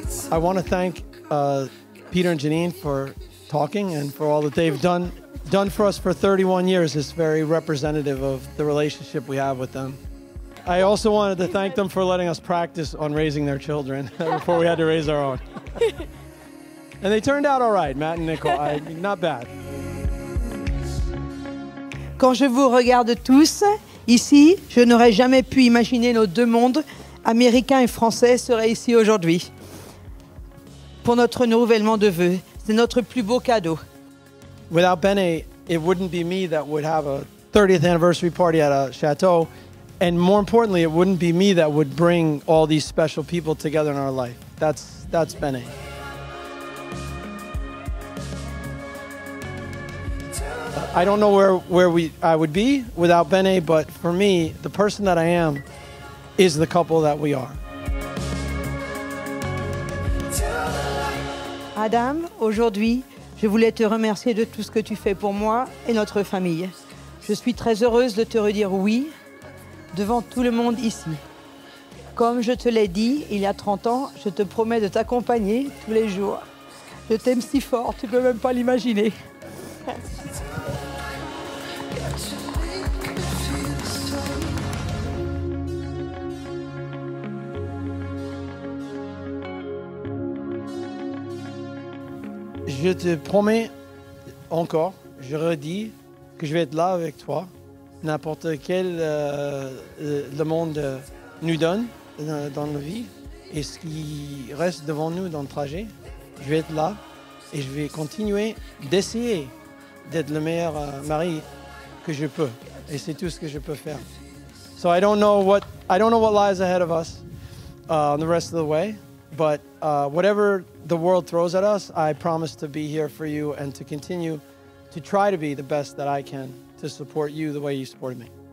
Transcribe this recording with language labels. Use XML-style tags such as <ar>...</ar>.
<en>I want to thank Peter and Janine for talking and for all that they've done for us for 31 years. It's very representative of the relationship we have with them. I also wanted to thank them for letting us practice on raising their children before we had to raise our own. And they turned out all right, Matt and Nicole. Not bad.</en> <fr>Quand je vous regarde tous ici, je n'aurais jamais pu imaginer nos deux mondes, américain et français, seraient ici aujourd'hui. Pour notre renouvellement de vœux, c'est notre plus beau cadeau.</fr> <en>Without Bene, it wouldn't be me that would have a 30th anniversary party at a chateau. And more importantly, it wouldn't be me that would bring all these special people together in our life. That's Bene. I don't know where I would be without Bene, but for me, the person that I am is the couple that we are.</en> <fr>Adam, aujourd'hui, je voulais te remercier de tout ce que tu fais pour moi et notre famille. Je suis très heureuse de te redire oui devant tout le monde ici. Comme je te l'ai dit il y a 30 ans, je te promets de t'accompagner tous les jours. Je t'aime si fort, tu ne peux même pas l'imaginer. Je te promets encore, je redis, que je vais être là avec toi, n'importe quel le monde nous donne dans la vie et ce qui reste devant nous dans le trajet. Je vais être là et je vais continuer d'essayer d'être le meilleur mari que je peux. Et c'est tout ce que je peux faire.</fr> <en>So I don't know what lies ahead of us on the rest of the way, but whatever the world throws at us, I promise to be here for you and to continue to try to be the best that I can to support you the way you supported me.</en>